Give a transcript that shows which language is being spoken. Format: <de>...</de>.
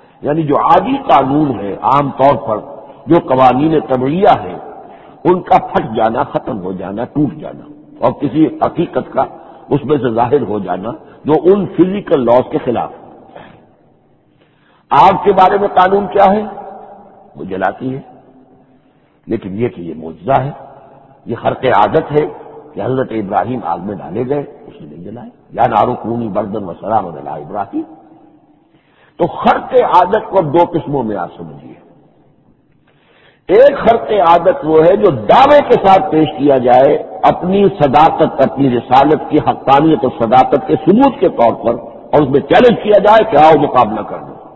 <ur>یعنی جو عادی قانون ہے، عام طور پر جو قوانین طبعیہ ہے، ان کا پھٹ جانا، ختم ہو جانا، ٹوٹ جانا، اور کسی حقیقت کا اس میں سے ظاہر ہو جانا جو ان فزیکل لاز کے خلاف. آگ کے بارے میں قانون کیا ہے؟ وہ جلاتی ہے، لیکن یہ کہ یہ معجزہ ہے، یہ خرق عادت ہے کہ حضرت ابراہیم آگ میں ڈالے گئے، اس نے نہیں جلائے.</ur> <ar>یا نارو کونی بردن و سلام علی ابراہیم.</ar> <ur>تو خرق عادت کو دو قسموں میں آپ سمجھیے. ایک خرق عادت وہ ہے جو دعوے کے ساتھ پیش کیا جائے، اپنی صداقت، اپنی رسالت کی حقانیت اور صداقت کے ثبوت کے طور پر، اور اس میں چیلنج کیا جائے کہ آؤ مقابلہ کر دو.</ur>